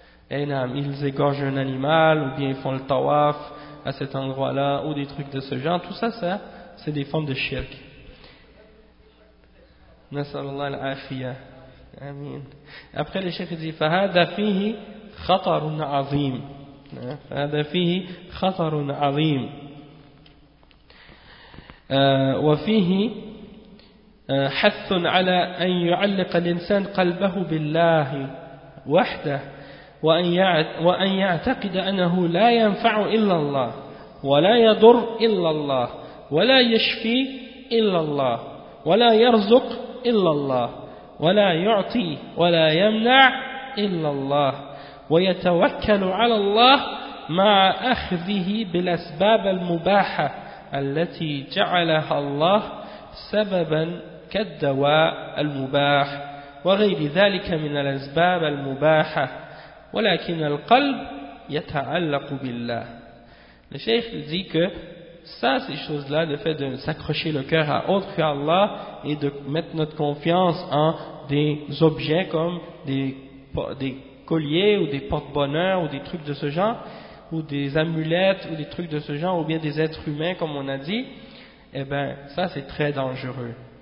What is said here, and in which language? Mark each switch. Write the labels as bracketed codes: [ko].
[fr] Et là, ils égorgent un animal ou bien ils font le tawaf à cet endroit-là ou des trucs de ce genre. Tout ça, ça, c'est des formes de shirk. [ar] Nasallallahu al-afiya. Amin. [fr] Après, le shirk dit [ar] فَهَذَا فِيهِ خَطَرٌ عَظِيمٌ. فَهَذَا فِيهِ خَطَرٌ عَظِيمٌ وَفِيهِ حث على أن يعلق الإنسان قلبه بالله وحده وأن يعتقد أنه لا ينفع إلا الله ولا يضر إلا الله ولا يشفي إلا الله ولا يرزق إلا الله ولا يعطي ولا يمنع إلا الله ويتوكل على الله مع أخذه بالأسباب المباحة التي جعلها الله سببا كالدواء المباح وغير ذلك من الأسباب المباحة ولكن القلب يتعلق بالله. [fr] Le Cheikh dit que ça, ces choses-là, le fait de s'accrocher le cœur à autre que Allah et de mettre notre confiance en des objets comme des colliers ou des porte-bonheur ou des trucs de ce genre ou des amulettes ou des trucs de ce genre ou bien des êtres humains comme on a dit, eh ben ça c'est très dangereux.